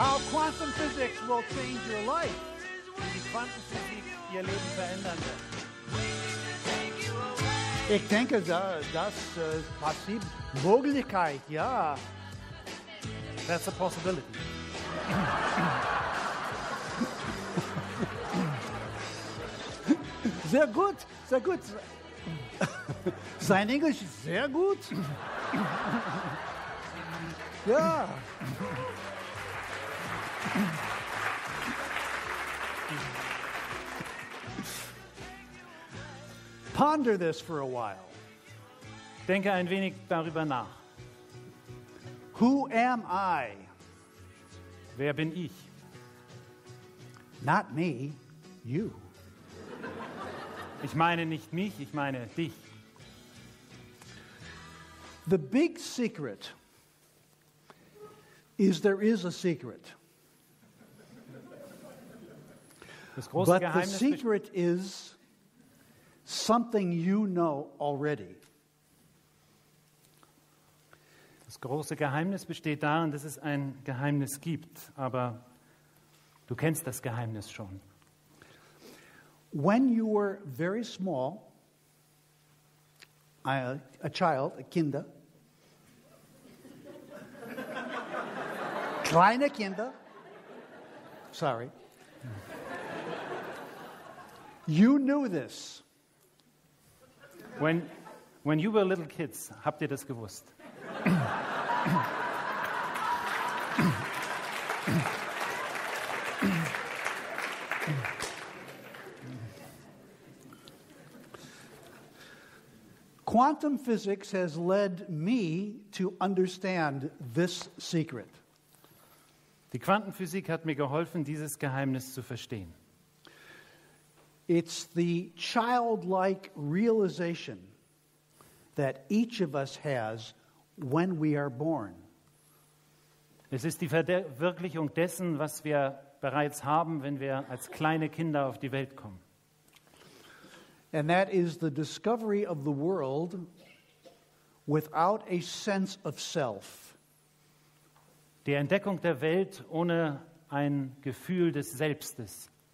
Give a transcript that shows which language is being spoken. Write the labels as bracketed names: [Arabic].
[English] Quantum physics will change your life. Quantum physics [German] ihr Leben verändern wird. Ich denke, das ist Möglichkeit, ja. [English] That's a possibility. [German] Sehr gut, sehr gut. Sein Englisch ist sehr gut. Ja. [English] Ponder this for a while. [German] Denke ein wenig darüber nach. [English] Who am I? [German] Wer bin ich? [English] Not me, you. [German] Ich meine nicht mich, ich meine dich. [English] The big secret is there is a secret. [German] Das große [English] But [German] Geheimnis [English] the secret is something you know already. [German] Das große Geheimnis besteht darin, dass es ein Geheimnis gibt, aber du kennst das Geheimnis schon. [English] When you were very small, a child, a [German] Kinder, kleine Kinder, [English] sorry, you knew this. When you were little kids, [German] habt ihr das gewusst? [English] Quantum physics has led me to understand this secret. [German] Die Quantenphysik hat mir geholfen, dieses Geheimnis zu verstehen. [English] It's the childlike realization that each of us has when we are born. [German] Es ist die Verwirklichung dessen, was wir bereits haben, wenn wir als kleine Kinder auf die Welt kommen. [English] And that is the discovery of the world without a sense of self. [German] Die Entdeckung der Welt ohne ein Gefühl des Selbstes.